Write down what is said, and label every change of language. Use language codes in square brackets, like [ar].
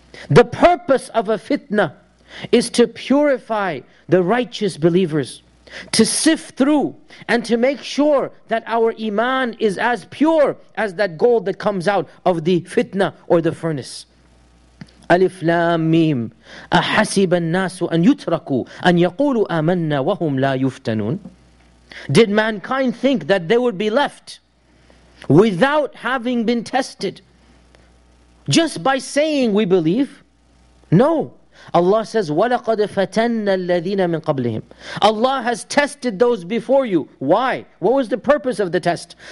[en] The purpose of a fitna is to purify the righteous believers, to sift through and to make sure that our iman is as pure as that gold that comes out of the fitna or the furnace. Alif Lam Mim. [ar] أحسب الناس أن يتركوا أن يقولوا آمنا وهم لا يفتنون. [en] Did mankind think that they would be left without having been tested, just by saying we believe? No. Allah says, [ar] وَلَقَدْ فَتَنَّ الَّذِينَ مِنْ قَبْلِهِمْ. [en] Allah has tested those before you. Why? What was the purpose of the test?